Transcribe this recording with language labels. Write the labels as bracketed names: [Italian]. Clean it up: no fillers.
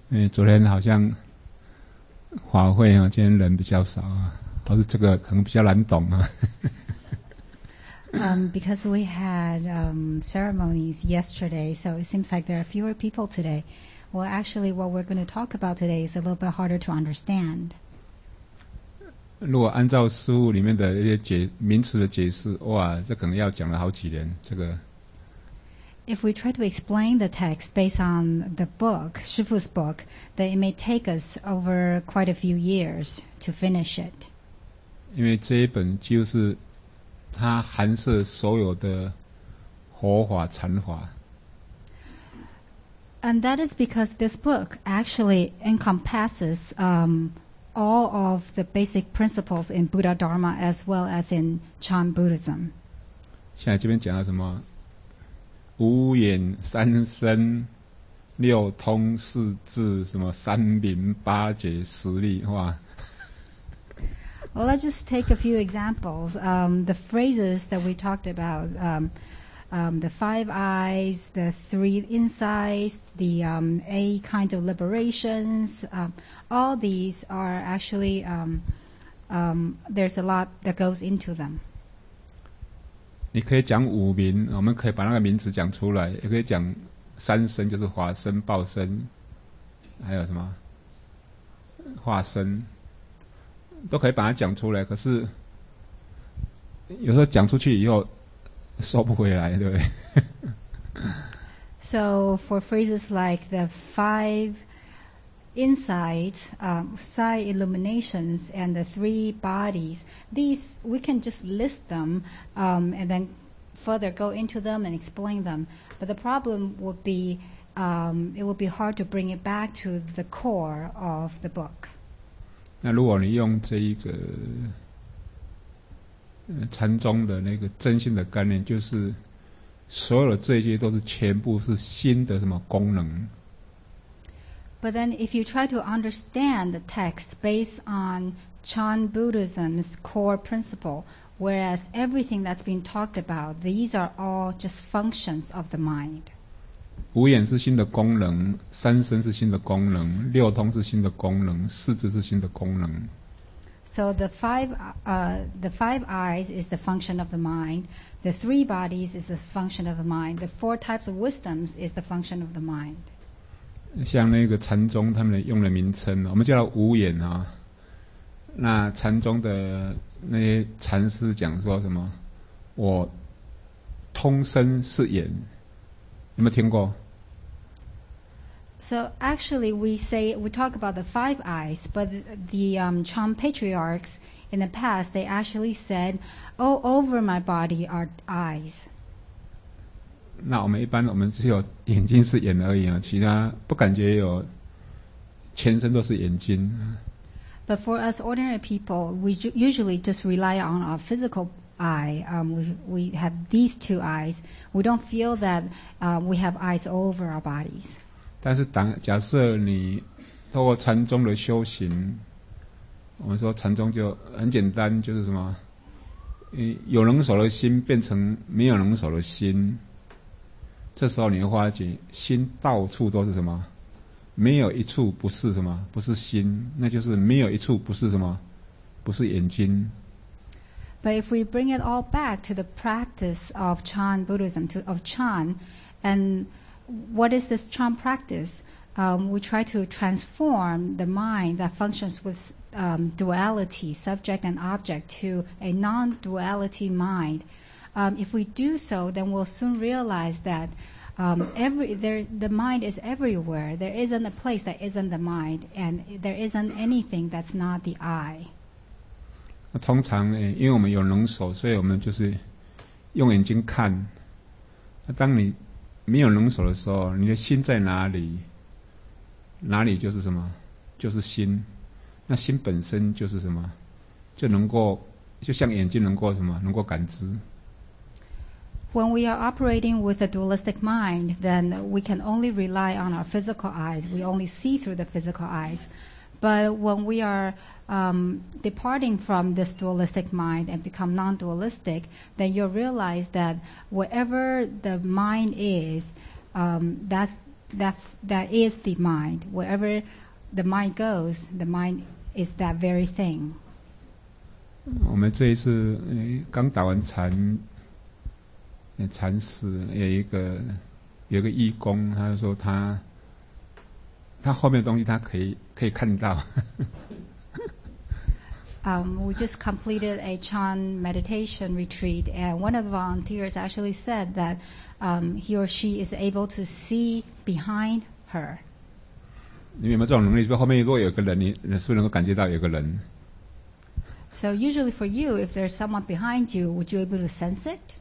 [Chinese] 昨天好像法会今天人比较少，或是这个可能比较难懂 [English] because we had ceremonies yesterday, so it seems like there are fewer people today. Well, actually, what we're going to talk about today is a little bit harder to understand. [Chinese] 如果按照书里面的一些名词的解释，哇，这可能要讲了好几年。这个。 [English] If we try to explain the text based on the book, Shifu's book, then it may take us over quite a few years to finish it. [Chinese] 因为这一本就是。它含摄所有的佛法禅法。 [English] And that is because this book actually encompasses all of the basic principles in Buddha Dharma as well as in Chan Buddhism. [Chinese] 现在这边讲到什么？五蕴三身、六通四智、什么三明八觉、十力，哇！ [English] Well, let's just take a few examples. The phrases that we talked about, the five eyes, the three insights, the eight kinds of liberations, all these are actually, there's a lot that goes into them. [Chinese] 你可以讲五明，我们可以把那个名词讲出来，也可以讲三身，就是法身、报身，还有什么化身。都可以把它讲出来，可是有时候讲出去以后收不回来，对不对？ [English] So for phrases like the five insights, sight illuminations, and the three bodies, these we can just list them, and then further go into them and explain them. But the problem would be, it would be hard to bring it back to the core of the book. [Chinese] 那如果你用这一个禅宗的那个真心的概念，就是所有的这些都是全部是心的什么功能。 [English] But then if you try to understand the text based on Chan Buddhism's core principle, whereas everything that's been talked about, these are all just functions of the mind. [Chinese] 五眼是心的功能，三身是心的功能，六通是心的功能，四智是心的功能。 [English] So the five eyes is the function of the mind, the three bodies is the function of the mind, the four types of wisdoms is the function of the mind. [Chinese] 像那个禅宗他们用的名称，我们叫五眼啊。那禅宗的那些禅师讲说什么？我通身是眼。有没有听过？ [English] So actually, we talk about the five eyes, but the Chan patriarchs in the past, they actually said, "All over my body are eyes." [Chinese] 那我们一般我们只有眼睛是眼而已啊，其他不感觉有，全身都是眼睛。 [English] But for us ordinary people, we usually just rely on our physical. We have these two eyes. We don't feel that we have eyes all over our bodies. [Chinese] 但是假设你透过禅宗的修行，我们说禅宗就很简单，就是什么，有能守的心变成没有能守的心。这时候你会发觉心到处都是什么，没有一处不是什么，不是心，那就是没有一处不是什么，不是眼睛。 [English] But if we bring it all back to the practice of Chan Buddhism, of Chan, and what is this Chan practice? We try to transform the mind that functions with duality, subject and object, to a non-duality mind. If we do so, then we'll soon realize that the mind is everywhere. There isn't a place that isn't the mind, and there isn't anything that's not the I. [Chinese] 通常因为我们有能手，所以我们就是用眼睛看。当你没有能手的时候，你的心在哪里？哪里就是什么？就是心。那心本身就是什么？就能够，就像眼睛能够什么？能够感知。 [English] When we are operating with a dualistic mind, then we can only rely on our physical eyes. We only see through the physical eyes. But when we are departing from this dualistic mind and become non-dualistic, then you'll realize that whatever the mind is, that is the mind. Wherever the mind goes, the mind is that very thing. [Chinese] 我们这一次刚打完禅，禅师有一个义工，他说他后面的东西他可以看到。 [English] We just completed a Chan meditation retreat, and one of the volunteers actually said that he or she is able to see behind her. [Chinese] 你有没有这种能力？就后面如果有个人，你是不是能够感觉到有个人？ [English] So usually for you, if there's someone behind you, would you be able to sense it?